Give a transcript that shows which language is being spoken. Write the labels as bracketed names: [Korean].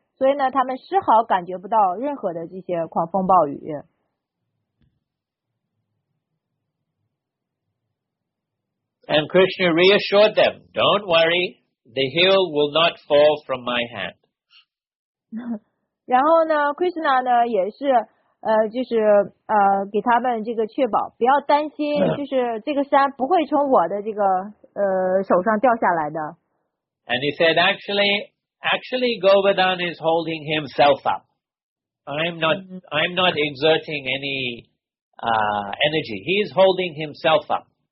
[Chinese] 所以呢，他们丝毫感觉不到任何的这些狂风暴雨。 [English] And Krishna reassured them, "Don't worry, the hill will not fall from my hand." [Chinese] 然后呢 ，Krishna 呢也是就是给他们这个确保，不要担心，就是这个山不会从我的这个手上掉下来的。 [English] And he said, Actually, Govardhan is holding himself up. I'm not exerting any energy. He is holding himself up.